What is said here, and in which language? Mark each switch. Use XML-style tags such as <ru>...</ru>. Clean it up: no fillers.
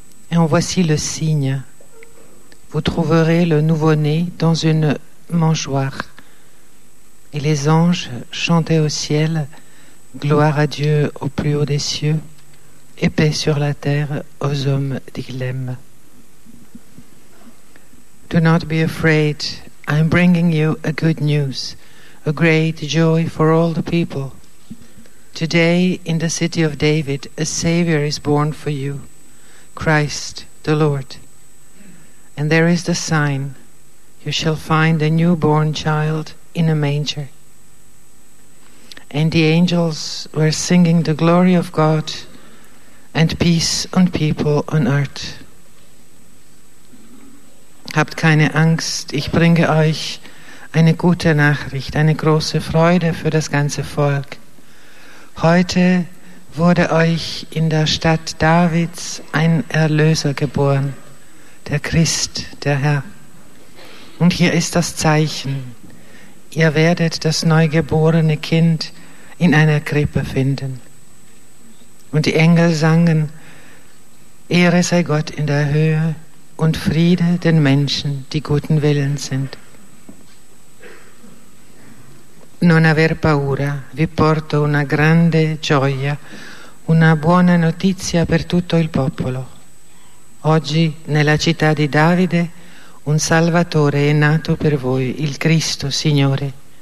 <fr>Et en voici le signe. Vous trouverez le nouveau-né dans une mangeoire. Et les anges chantaient au ciel, gloire à Dieu au plus haut des cieux, et paix sur la terre aux hommes qu'il aime.</fr> <en>Do not be afraid, I'm bringing you a good news, a great joy for all the people. Today, in the city of David, a Savior is born for you, Christ the Lord. And there is the sign, you shall find a newborn child in a manger. And the angels were singing the glory of God and peace on people on earth.</en> <de>Habt keine Angst, ich bringe euch eine gute Nachricht, eine große Freude für das ganze Volk. Heute wurde euch in der Stadt Davids ein Erlöser geboren. Der Christ, der Herr. Und hier ist das Zeichen. Ihr werdet das neugeborene Kind in einer Krippe finden. Und die Engel sangen: Ehre sei Gott in der Höhe und Friede den Menschen, die guten Willens sind.</de> <it>Non aver paura, vi porto una grande gioia, una buona notizia per tutto il popolo. Oggi nella città di Davide un Salvatore è nato per voi, il Cristo Signore.</it>